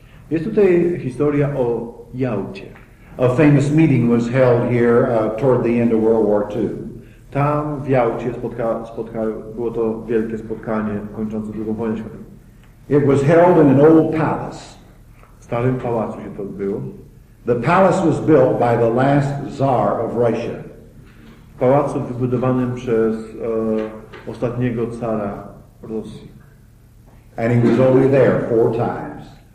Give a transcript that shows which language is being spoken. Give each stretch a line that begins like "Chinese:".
Polish: Jest tutaj historia o Jałcie.
English: A famous meeting was held here toward the end of World War II.
Polish: Tam w Jałcie było to wielkie spotkanie kończące II wojnę światową.
English: It was held in an old palace.
Polish: W starym pałacu się to odbyło.
English: The palace was built by the last czar of Russia.
Polish: W pałacu wybudowanym przez ostatniego cara Rosji.
English: And he was only there four times.